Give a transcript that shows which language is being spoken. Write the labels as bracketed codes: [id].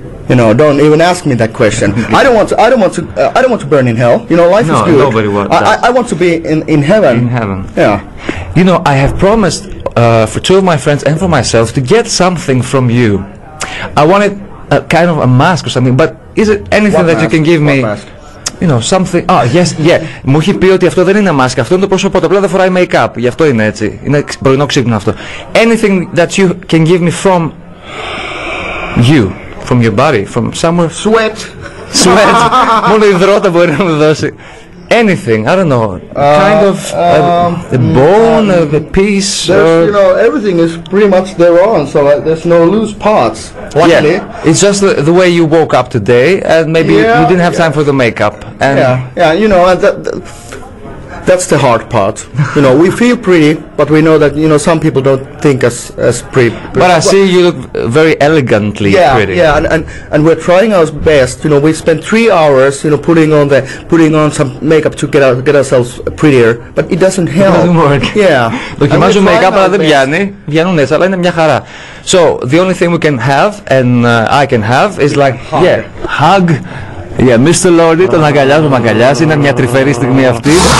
[en] You know, don't even ask me that question. Yeah. I don't want to burn in hell. You know, life no, is good. No, nobody wants that. I want to be in heaven. In heaven. Yeah. You know, I have promised for two of my friends and for myself to get something from you. I wanted a kind of a mask or something, but is it anything what that mask? You can give what me? Mask? You know, something. Oh, yes, yeah. [el] Μου έχει πει ότι αυτό δεν είναι μάσκα. Αυτό είναι το πρόσωπο. Απλά δεν φοράει make-up. Γι' αυτό είναι έτσι. Είναι πρωινό ξύπνο αυτό. [en] Anything that you can give me from you, from your body, from somewhere. Sweat. Sweat. [el] Μόνο υδρότα μπορεί να μου δώσει. [en] Anything. I don't know. Kind of. A bone, a piece. You know, everything is pretty much their own. So like, there's no loose parts. Luckily. Yeah, it's just the way you woke up today, and maybe yeah, you didn't have time for the makeup. And yeah, you know, that's the hard part. You know, we feel pretty, but we know that, you know, some people don't think us as pretty. But I see you look very elegantly pretty. Yeah, and we're trying our best. You know, we spent 3 hours, you know, putting on some makeup to get ourselves prettier, but it doesn't help. It doesn't work. Yeah. [el] Δοκιμάζω makeup, αλλά δεν πιάνει. Βγαίνουν έτσι, αλλά είναι μια χαρά. [en] So, the only thing we can have, and I can have, is like, hug. Yeah, Mr. Lordi, [el] τον αγκαλιάζω, μ' αγκαλιάζει, είναι μια τρυφερή στιγμή αυτή.